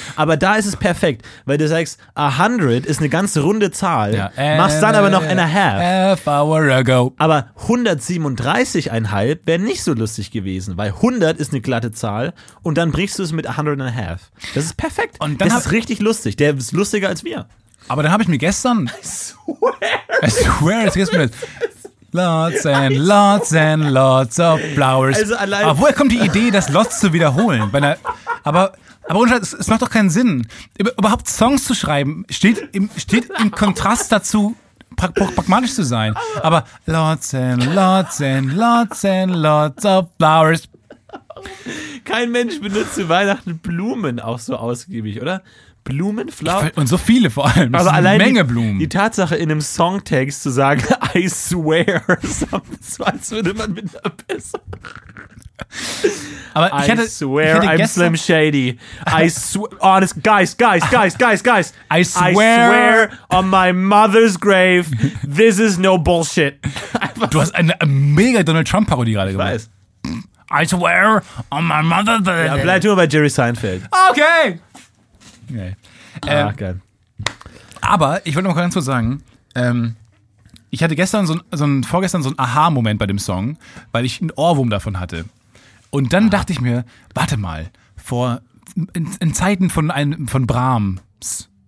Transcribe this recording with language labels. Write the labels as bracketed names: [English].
[German] Aber da ist es perfekt, weil du sagst, 100 ist eine ganz runde Zahl, ja, machst dann aber noch [English] and a half. Hour ago. [German] Aber 137,5 wäre nicht so lustig gewesen, weil 100 ist eine glatte Zahl und dann brichst du es mit 100 [English] and a half. [German] Das ist perfekt. Und dann das ist richtig lustig. Der ist lustiger als wir. Aber dann habe ich mir gestern. [English] I swear it's Christmas. Lots and lots and lots of flowers. [German] Also allein. Aber woher kommt die Idee, das lots zu wiederholen? Aber es macht doch keinen Sinn. Überhaupt Songs zu schreiben steht im Kontrast dazu, pragmatisch zu sein. [English] Aber lots and lots and lots and lots of flowers. [German] Kein Mensch benutzt zu Weihnachten Blumen auch so ausgiebig, oder? Blumen, Flowers. Und so viele vor allem. Aber allein Menge Blumen. Die Tatsache, in einem Songtext zu sagen, [English] I swear, [German] so als würde man mit einer Person. Aber [English] I swear, I'm Slim Shady. I swear, honest, guys. I swear on my mother's grave, this is no bullshit. [German] Du hast eine mega Donald Trump Parodie gerade gemacht. Weiß. [English] I swear on my mother's grave. [German] Ja, bleib nur bei Jerry Seinfeld. Okay. Nee. Geil. Aber ich wollte noch ganz kurz sagen, ich hatte gestern vorgestern so ein Aha-Moment bei dem Song, weil ich einen Ohrwurm davon hatte. Und dann dachte ich mir, warte mal, vor in Zeiten von Brahms